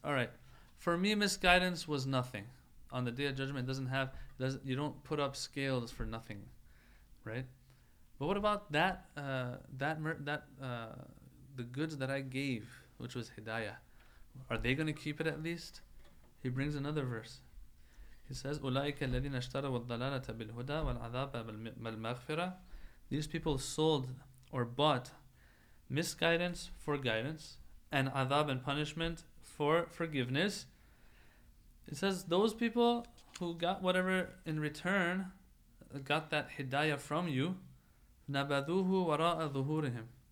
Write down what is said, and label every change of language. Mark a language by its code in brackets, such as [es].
[en] All right, for me, misguidance was nothing. On the day of judgment, you don't put up scales for nothing, right? But what about that the goods that I gave, which was hidayah, Are they going to keep it at least? He brings another verse. He says, [ar] أُولَٰئِكَ الَّذِينَ اشْتَرَوَ الضَّلَالَةَ بِالْهُدَىٰ وَالْعَذَابَ بِالْمَغْفِرَةِ. [en] These people sold or bought misguidance for guidance and adab and punishment for forgiveness. It says those people who got whatever in return, got that hidayah from you, [ar] نَبَذُوهُ وَرَاءَ ظُهُورِهِمْ.